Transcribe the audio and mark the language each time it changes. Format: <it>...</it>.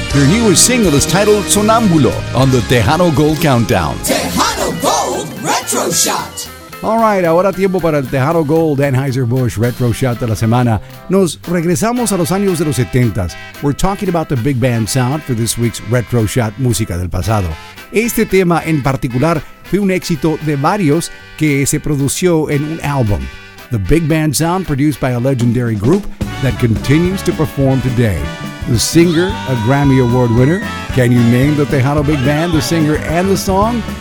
<en>Their newest single is titled Sonámbulo on the Tejano Gold Countdown. Tejano Gold Retro Shot. All right,</en> <es>ahora tiempo para el Tejano Gold Anheuser-Busch Retro Shot de la semana. Nos regresamos a los años de los 70s.</es> <en>We're talking about the big band sound for this week's Retro Shot</en> <es>Música del Pasado. Este tema en particular fue un éxito de varios que se produjo en un álbum.</es> <en>The big band sound produced by a legendary group that continues to perform today. The singer, a Grammy Award winner. Can you name the Tejano Big Band, the singer, and the song?</en>